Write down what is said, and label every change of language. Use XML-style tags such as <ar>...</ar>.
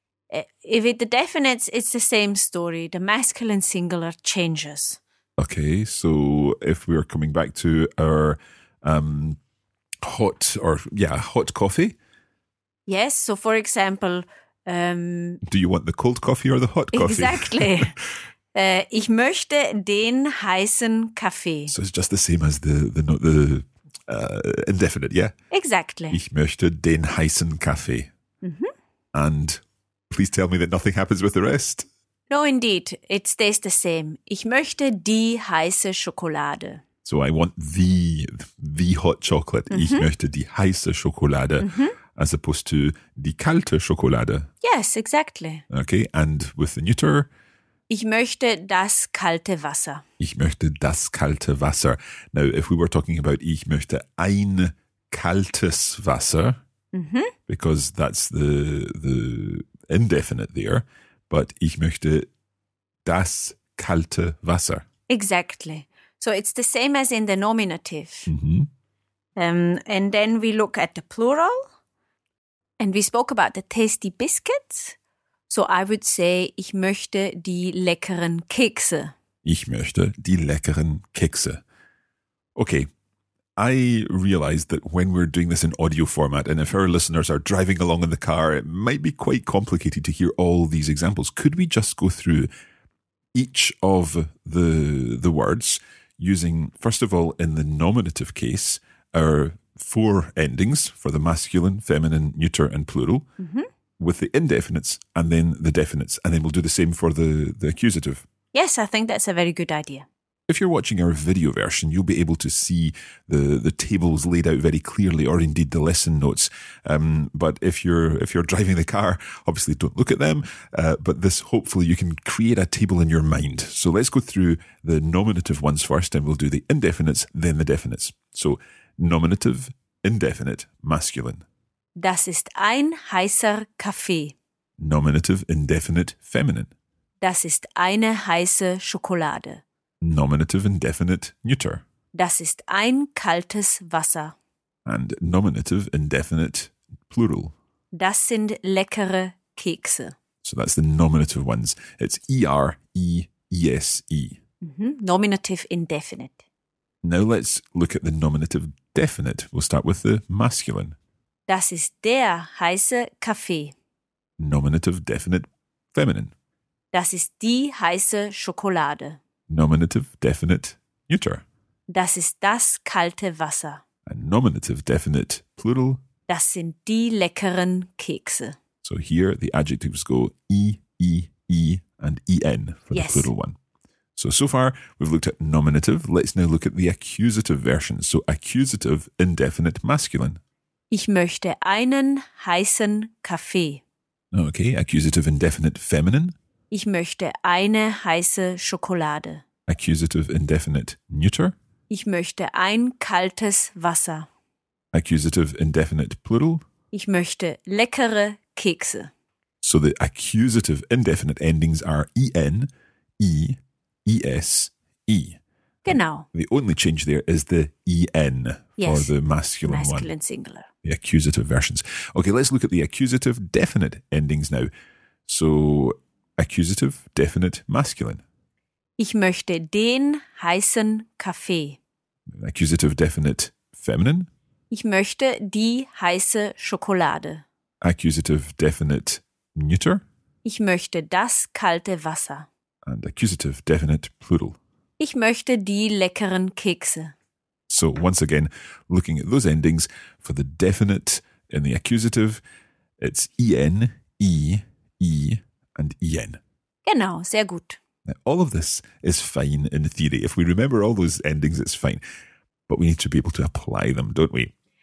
<en>If it's the definites, it's the same story. The masculine singular changes. Okay, so if we're coming back to our hot coffee. Yes, so for example. Do you want the cold coffee or the hot coffee? Exactly.</en> <de>ich möchte den heißen Kaffee.</de> <en>So it's just the same as the indefinite, yeah? Exactly.</en> <de>Ich möchte den heißen Kaffee. Mm-hmm.</de> <en>And please tell me that nothing happens with the rest. No, indeed. It stays the same.</en> <de>Ich möchte die heiße Schokolade.</de> <en>So I want the hot chocolate.</en> <de>Mm-hmm. Ich möchte die heiße Schokolade. Mm-hmm.</de> <en>As opposed to</en> <de>die kalte Schokolade.</de> <en>Yes, exactly. Okay, and with the neuter?</en> <de>Ich möchte das kalte Wasser. Ich möchte das kalte Wasser.</de> <en>Now, if we were talking about</en> <de>ich möchte ein kaltes Wasser, mm-hmm.</de> <en>because that's the indefinite there, but</en> <de>ich möchte das kalte Wasser.</de> <en>Exactly. So it's the same as in the nominative. Mm-hmm. And then we look at the plural. And we spoke about the tasty biscuits. So I would say,</en> <de>ich möchte die leckeren Kekse. Ich möchte die leckeren Kekse.</de> <en>Okay. I realize that when we're doing this in audio format, and if our listeners are driving along in the car, it might be quite complicated to hear all these examples. Could we just go through each of the words using, first of all, in the nominative case, our four endings for the masculine, feminine, neuter, and plural, mm-hmm. with the indefinites and then the definites, and then we'll do the same for the accusative. Yes, I think that's a very good idea. If you're watching our video version, you'll be able to see the tables laid out very clearly, or indeed the lesson notes. But if you're driving the car, obviously don't look at them. But this, hopefully, you can create a table in your mind. So let's go through the nominative ones first, and we'll do the indefinites, then the definites. So nominative, indefinite, masculine.</en> <de>Das ist ein heißer Kaffee.</de> <en>Nominative, indefinite, feminine.</en> <de>Das ist eine heiße Schokolade.</de> <en>Nominative, indefinite, neuter.</en> <de>Das ist ein kaltes Wasser.</de> <en>And nominative, indefinite, plural.</en> <de>Das sind leckere Kekse.</de> <en>So that's the nominative ones. It's E-R-E-E-S-E. Mm-hmm. Nominative, indefinite. Now let's look at the nominative definite. We'll start with the masculine.</en> <de>Das ist der heiße Kaffee.</de> <en>Nominative definite feminine.</en> <de>Das ist die heiße Schokolade.</de> <en>Nominative definite neuter.</en> <de>Das ist das kalte Wasser.</de> <en>And nominative definite plural.</en> <de>Das sind die leckeren Kekse.</de> <en>So here the adjectives go e, e, e and en for the plural one. So far we've looked at nominative. Let's now look at the accusative version. So accusative indefinite masculine.</en> <de>Ich möchte einen heißen Kaffee.</de> <en>Okay, accusative indefinite feminine.</en> <de>Ich möchte eine heiße Schokolade.</de> <en>Accusative indefinite neuter.</en> <de>Ich möchte ein kaltes Wasser.</de> <en>Accusative indefinite plural.</en> <de>Ich möchte leckere Kekse.</de> <en>So the accusative indefinite endings are en, e, es, e.</en> <de>Genau.</de> <en>And the only change there is the en for the masculine one. Masculine singular. The accusative versions. Okay, let's look at the accusative definite endings now. So accusative definite masculine.</en> <de>Ich möchte den heißen Kaffee.</de> <en>Accusative definite feminine.</en> <de>Ich möchte die heiße Schokolade.</de> <en>Accusative definite neuter.</en> <de>Ich möchte das kalte Wasser.</de> <en>And accusative definite plural.</en> <de>Ich möchte die leckeren Kekse.</de> <en>So once again, looking at those endings, for the definite in the accusative, it's en, e, e and en.</en> <de>Genau, sehr gut.</de> <en>Now, all of this is fine in theory. If we remember all those endings, it's fine. But we need to be able to apply them, don't we?</en>